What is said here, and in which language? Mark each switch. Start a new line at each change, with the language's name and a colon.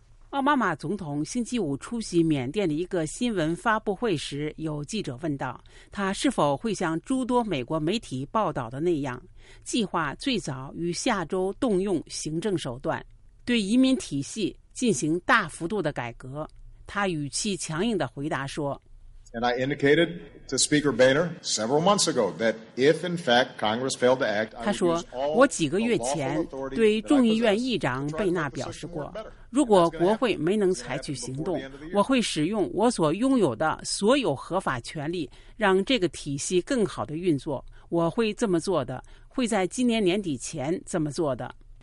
Chinese: 奥巴马总统星期五出席缅甸的一个新闻发布会时，有记者问道，他是否会像诸多美国媒体报道的那样，计划最早于下周动用行政手段，对移民体系进行大幅度的改革。他语气强硬地回答说，
English: And I indicated to Speaker Boehner several months ago that if in fact Congress failed to act,
Chinese: 他说，我几个月前对众议院议长贝纳表示过，如果国会没能采取行动，我会使用我所拥有的所有合法权利让这个体系更好地运作。我会这么做的，会在今年年底前这么做的。